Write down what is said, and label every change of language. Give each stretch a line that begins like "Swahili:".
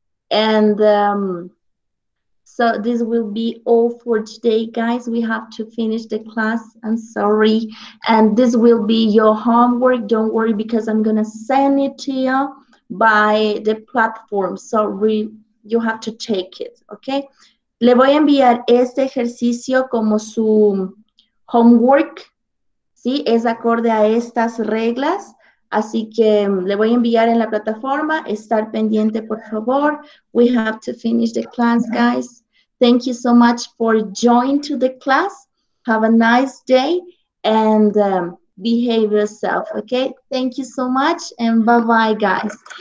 English: And so this will be all for today, guys. We have to finish the class, I'm sorry. And this will be your homework. Don't worry, because I'm gonna send it to you by the platform. So you have to take it, okay?
Spanish: Le voy a enviar este ejercicio como su homework. Sí, es acorde a estas reglas, así que le voy a enviar en la plataforma. Estar pendiente, por favor.
English: We have to finish the class, guys. Thank you so much for joining to the class. Have a nice day and behave yourself, okay? Thank you so much and bye-bye, guys.